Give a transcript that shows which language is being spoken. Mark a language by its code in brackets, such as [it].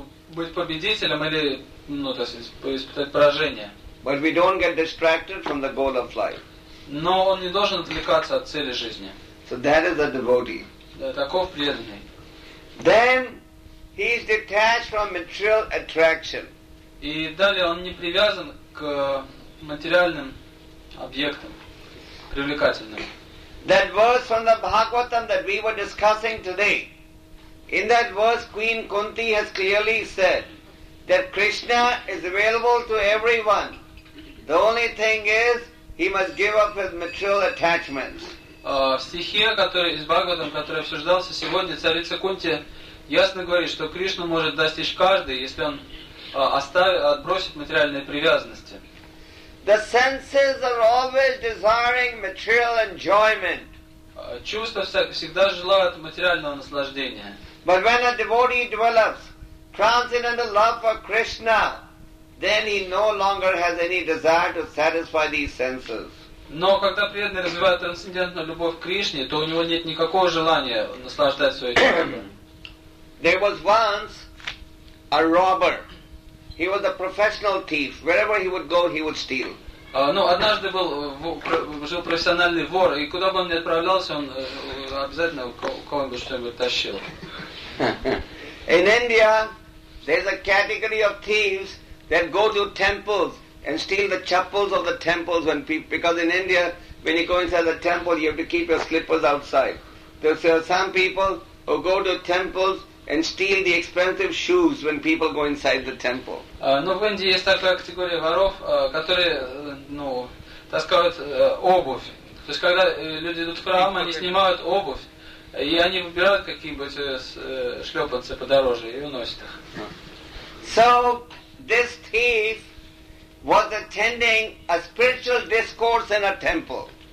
[ru] Быть победителем или, ну, то есть, испытать поражение. [en] But we don't get distracted from the goal of life. [ru] Но он не должен отвлекаться от цели жизни. [en] So that is a devotee. [ru] Да, таков преданный. [en] Then he is detached from material attraction. [ru] И далее он не привязан к материальным объектам привлекательным. [en] That verse from the Bhagavatam that we were discussing today. In that verse, Queen Kunti has clearly said that Krishna is available to everyone. The only thing is, he must give up his material attachments. [ru] В стихе, который из Бхагаватам, который обсуждался сегодня, царица Кунти ясно говорит, что Кришну может достичь каждый, если он отбросит материальные привязанности. [en] The senses are always desiring material enjoyment. [ru] Чувства всегда желают материального наслаждения. [en] But when a devotee develops transcendental love for Krishna, then he no longer has any desire to satisfy these senses. [ru] Но когда преданный развивает трансцендентную любовь к Кришне, то у него нет никакого желания наслаждать свои чувства. [en] There was once a robber. He was a professional thief. Wherever he would go, he would steal. [ru] Ну, однажды был жил профессиональный вор, и куда бы он ни отправлялся, он обязательно кого-нибудь что-нибудь тащил. [en] In India, there's a category of thieves that go to temples and steal the chappals of the temples when because in India, when you go inside the temple, you have to keep your slippers outside. There are some people who go to temples and steal the expensive shoes when people go inside the temple. [ru] Ну, в Индии есть такая категория воров, которые, ну, таскают обувь. То есть, когда люди идут в храм, они снимают обувь. И они выбирают какие-нибудь шлёпанцы подороже и уносят их. [en] So this thief was attending a spiritual discourse in a temple.